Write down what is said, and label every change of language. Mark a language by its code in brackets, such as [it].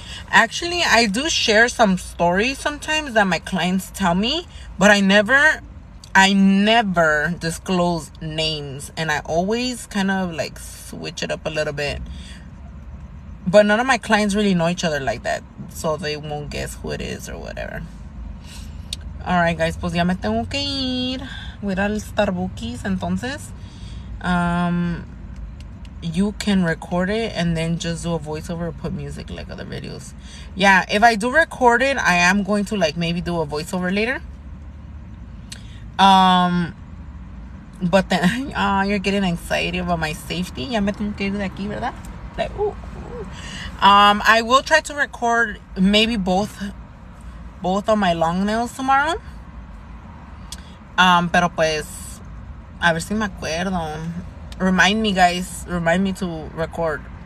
[en] Actually, I do share some stories sometimes that my clients tell me, but I never disclose names, and I always kind of like switch it up a little bit. But none of my clients really know each other like that, so they won't guess who it is or whatever. All right, guys, [es] pues ya me tengo que ir. Voy al Starbucks, entonces. [en] You can record it and then just do a voiceover, put music like other videos. Yeah, if I do record it, I am going to like maybe do a voiceover later. But then you're getting anxiety about my safety. [es] Ya me tengo que ir de aquí, ¿verdad? [en] Like, ooh. I will try to record maybe both of my long nails tomorrow. [es] Pero pues, a ver si me acuerdo. [en] Remind me, guys. Remind me to record.